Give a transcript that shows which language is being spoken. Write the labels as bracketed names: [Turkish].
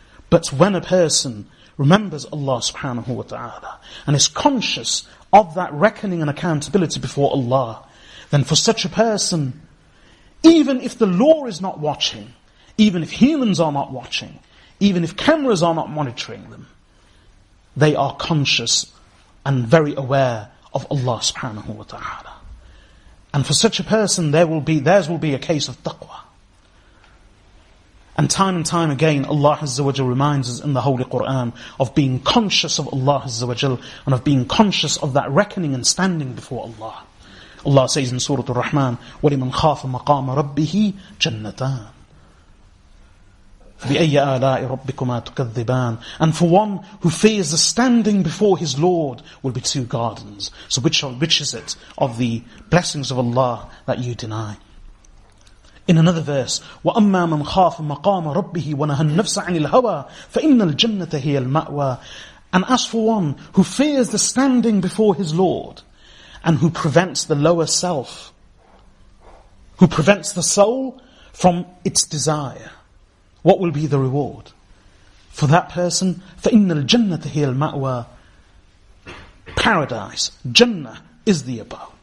[English] But when a person remembers Allah subhanahu wa ta'ala and is conscious of that reckoning and accountability before Allah, then for such a person, even if the law is not watching, even if humans are not watching, even if cameras are not monitoring them, they are conscious and very aware of Allah subhanahu wa ta'ala. And for such a person, theirs will be a case of taqwa. And time and time again, Allah Azza wa Jal reminds us in the Holy Quran of being conscious of Allah Azza wa Jal and of being conscious of that reckoning and standing before Allah. [Arabic] Allah says in Surah Al-Rahman, وَلِمَنْ خَافَ مَقَامَ رَبِّهِ جَنَّتَانِ بِأَيَّ آلَاءِ رَبِّكُمَا تُكَذِّبَانِ. [English] And for one who fears the standing before his Lord will be two gardens. So which is it of the blessings of Allah that you deny? In another verse, [Arabic] وَأَمَّا مَنْ خَافَ مَقَامَ رَبِّهِ وَنَهَا النَّفْسَ عَنِ الْهَوَى فَإِنَّ الْجَنَّةَ هِيَ الْمَأْوَى. [English] And as for one who fears the standing before his Lord, and who prevents the lower self, who prevents the soul from its desire, what will be the reward for that person? [Arabic] فَإِنَّ الْجَنَّةَ هِيَ الْمَأْوَى. [English] Paradise, Jannah, is the abode.